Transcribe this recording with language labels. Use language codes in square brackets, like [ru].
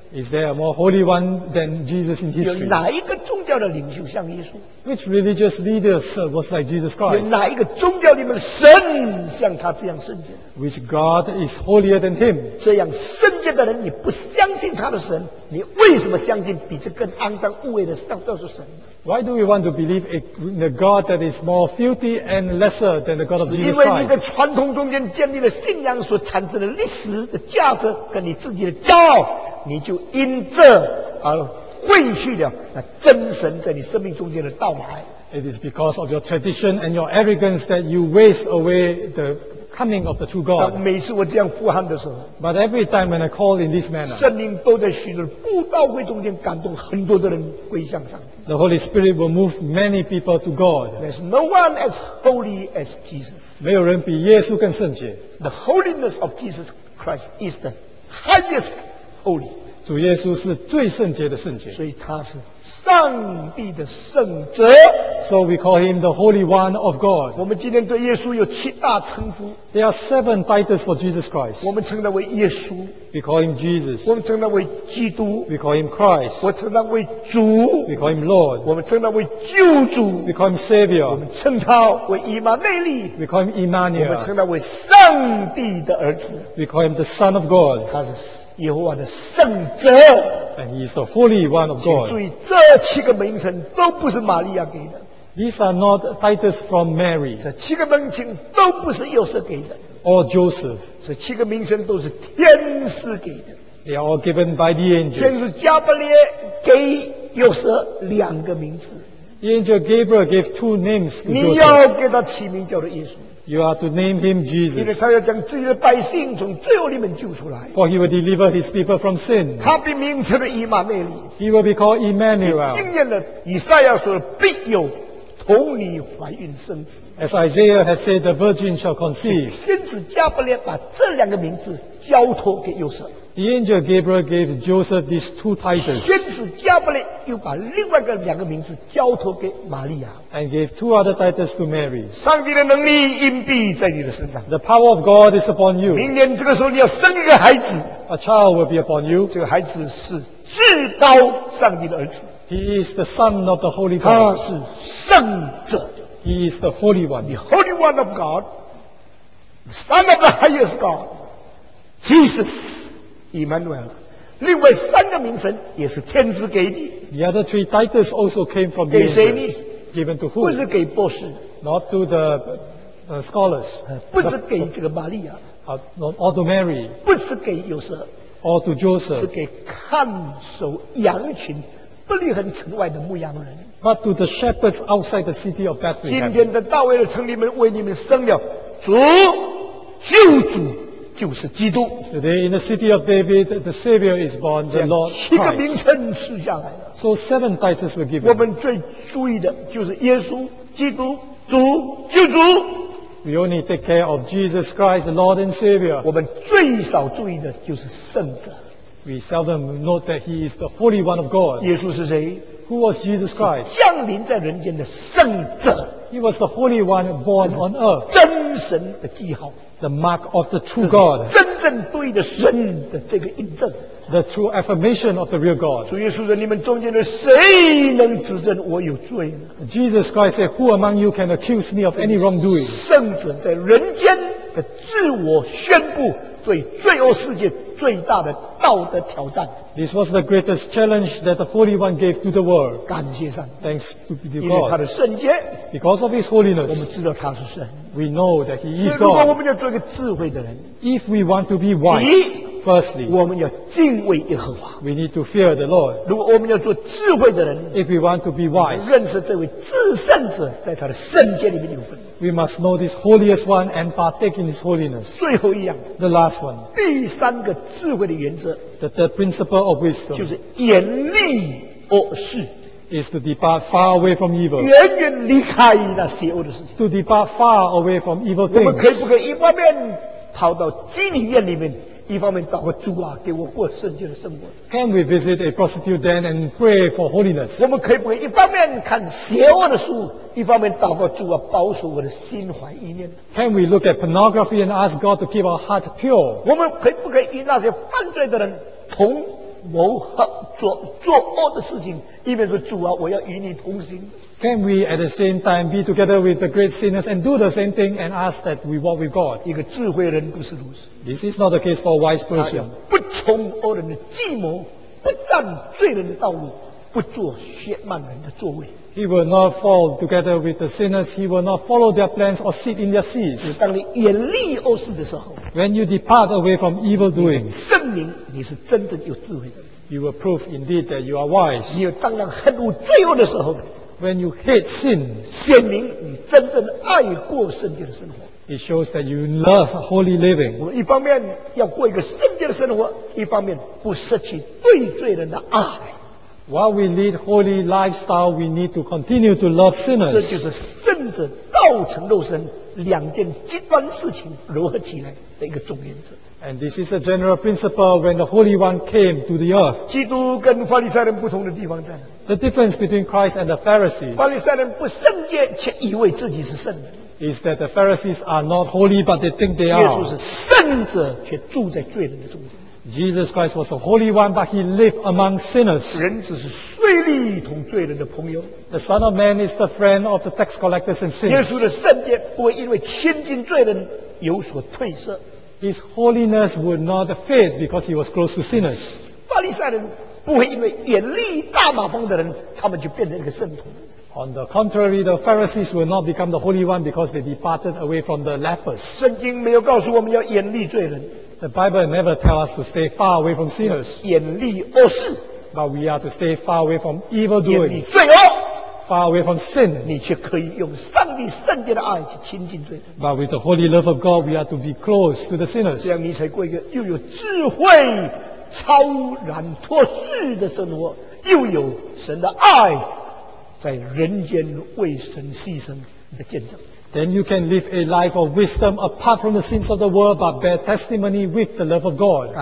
[en] Is there a more holy one than Jesus in history? [zh] 有哪一个宗教的领袖像耶稣？ [en] Which religious leader was like Jesus Christ? [zh] 有哪一个宗教里面的神像他这样圣洁？ [en] Which God is holier than him? [zh] 这样圣洁的人，你不相信他的神，你为什么相信比这更肮脏污秽的上帝是神？ [en] Why do we want to believe in a God that is more filthy and lesser than the God of Jesus [zh] Christ? 是因为你在传统中间建立了信仰所产生的历史的价值跟你自己的骄傲，你就因这而废去了那真神在你生命中间的道牌。 [en] It is because of your tradition and your arrogance that you waste away the coming of the true God. [zh] 每次我这样呼喊的时候 [en] ，But every time when I call in this manner, [zh] 圣灵都在许多布道会中间感动很多的人归向上帝。 [en] The Holy Spirit will move many people to God. There's no one as holy as Jesus. [zh] 没有人比耶稣更圣洁。 [en] The holiness of Jesus Christ is the highest holy. [zh] 主耶稣是最圣洁的圣洁。所以他是上帝的圣者。 [en] So we call him the Holy One of God. [zh] 我们今天对耶稣有七大称呼。 [en] There are seven titles for Jesus Christ. [zh] 我们称他为耶稣。 [en] We call him Jesus. [zh] 我们称他为基督。 [en] We call him Christ. [zh] 我称他为主。 [en] We call him Lord. [zh] 我们称他为救主。 [en] We call him Savior. [zh] 我们称他为以马内利。 [en] We call him Emmanuel. [zh] 我们称他为上帝的儿子。 [en] We call him the Son of God. [zh] 他是耶和华的圣者。 [en] And he is the Holy One of God. [zh] 注意，这七个名称都不是玛利亚给的。 [en] These are not titles from Mary. [zh] 这七个名称都不是约瑟给的。 [en] Or Joseph. [zh] 这七个名称都是天使给的。 [en] They are all given by the angels. [zh] 天使加百列给约瑟两个名字。 [en] The angel Gabriel gave two names to Joseph. [zh] 你要给他起名叫做耶稣。 [en] You are to name him Jesus. [zh] 因为他要将自己的百姓从罪恶里面救出来。 [en] For he will deliver his people from sin. [zh] 他被名称为以马内利。 [en] He will be called Emmanuel. [zh] 应验了以赛亚说的必有。同你怀孕生子。 [en] As Isaiah has said, the virgin shall conceive. [zh] 天使加百列把这两个名字交托给约瑟。 [en] The angel Gabriel gave Joseph these two titles. [zh] 天使加百列又把另外两个名字交托给玛利亚。 [en] And gave two other titles to Mary. [zh] 上帝的能力荫蔽在你的身上。 [en] The power of God is upon you. [zh] 明年这个时候你要生一个孩子。 [en] A child will be upon you. [zh] 这个孩子是至高上帝的儿子。 [en] He is the Son of the Holy God. [zh] 他是圣者。 [en] He is the Holy One. The Holy One of God, the Son of the Highest God, Jesus, Emmanuel. [zh] 另外三个名称也是天使给你。 [en] The other three titles also came from the angels. [zh] 给谁呢？ [en] Given to who? [zh] 不是给博士。 [en] Not to the scholars. [zh] 不是给这个玛利亚。 [en] Or to Mary. [zh] 不是给约瑟。 [en] Or to Joseph. [zh] 是给看守羊群。伯利恒城外的牧羊人。 [en] But to the shepherds outside the city of Bethlehem. [zh] 今天的大卫的城里面为你们生了主，救主就是基督。 [en] Today in the city of David, the Savior is born, the Lord Christ. [zh] 七个名称赐下来了。 [en] So seven titles were given. [zh] 我们最注意的就是耶稣基督主救主。 [en] We only take care of Jesus Christ, the Lord and Savior. [zh] 我们最少注意的就是圣者。 [en] We seldom note that he is the Holy One of God. [zh] 耶稣是谁？ [en] Who was Jesus Christ? [zh] 降临在人间的圣者。 [en] He was the Holy One born on earth. [zh] 真神的记号。 [en] The mark of the true God. [zh] 真正对的神的这个印证。 [en] The true affirmation of the real God. [zh] 主耶稣说：“你们中间的谁能指证我有罪呢？” [en] Jesus Christ said, "Who among you can accuse me of any wrongdoing?" [zh] 圣者在人间的自我宣布。对罪恶世界最大的道德挑战。 [en] This was the greatest challenge that the Holy One gave to the world. [zh] 感谢上帝。 [en] Thanks to God. [zh] 因为他的圣洁。 [en] Because of His holiness. [zh] 我们知道他是神。 [en] We know that He is God. [zh] 如果我们要做一个智慧的人。 [en] If we want to be wise. Firstly. [zh] 我们要敬畏耶和华。 [en] We need to fear the Lord. [zh] 如果我们要做智慧的人。 [en] If we want to be wise. [zh] 认识这位至圣者在他的圣洁里面有份。 [en] We must know this holiest one and partake in his holiness. [zh] 最后一样。 [en] The last one. [zh] 第三个智慧的原则。 [en] The third principle of wisdom. [zh] 就是远离恶事。 [en] Is to depart far away from evil. [zh] 远远离开那邪恶的事情。 [en] To depart far away from evil things. [zh] 我们可以不可以一方面跑到基督里面一方面祷告主啊，给我过圣洁的生活。 [en] Can we visit a prostitute den and pray for holiness? [zh] 我们可以不可以一方面看邪恶的书，一方面祷告主啊，保守我的心怀意念 [en] ？Can we look at pornography and ask God to keep our hearts pure? [zh] 我们可以不可以与那些犯罪的人同谋合作做恶的事情？一边说主啊，我要与你同行。 [en] Can we at the same time be together with the great sinners and do the same thing and ask that we walk with God? [zh] 一个智慧人不是如此。 [en] This is not the case for a wise person. [zh] 不从恶人的计谋，不占罪人的道路，不做亵慢人的座位。 [en] He will not fall together with the sinners. He will not follow their plans or sit in their seats. [zh] 当你远离恶事的时候 [en] ，When you depart away from evil doing, [zh] 证明你是真正有智慧的。 [en] You will prove indeed that you are wise. [zh] 你当然恨恶罪恶的时候。 [en] When you hate sin, [zh] 显明你真正爱过圣洁的生活。 [en] It shows that you love holy living. [zh] 我们一方面要过一个圣洁的生活，一方面不失去对罪人的爱。 [en] While we lead holy lifestyle, we need to continue to love sinners. [zh] 这就是圣者道成肉身两件极端事情融合起来的一个总原则。 [en] And this is a general principle when the Holy One came to the earth. [zh] 基督跟法利赛人不同的地方在哪？ [en] The difference between Christ and the Pharisees. [zh] 法利赛人不圣洁，却以为自己是圣人。 [en] Is that the Pharisees are not holy, but they think they are. [zh] 耶稣是圣者，却住在罪人的中间。 [en] Jesus Christ was the Holy One, but he lived among sinners. [zh] 人只是税吏同罪人的朋友。 [en] The Son of Man is the friend of the tax collectors and sinners. [zh] 耶稣的圣洁不会因为亲近罪人有所褪色。 [en] His holiness would not fade because he was close to sinners. [zh] 法利赛人不会因为远离大马蜂的人，他们就变成一个圣徒。 [en] On the contrary, the Pharisees will not become the Holy One because they departed away from the lepers. [zh] 圣经没有告诉我们要远离罪人。 [en] The Bible never tells us to stay far away from sinners. [zh] 远离恶事。 [en] But we are to stay far away from evil doing. [zh] 远离罪恶。 [en] Far away from sin. [zh] 你却可以用上帝圣洁的爱去亲近罪人。 [en] But with the holy love of God, we are to be close to the sinners. [zh] 这样你才过一个又有智慧、超然脱世的生活，又有神的爱。在人间为神牺牲的见证。 [en] Then you can live a life of wisdom apart from the sins of the world, but bear testimony with the love of God.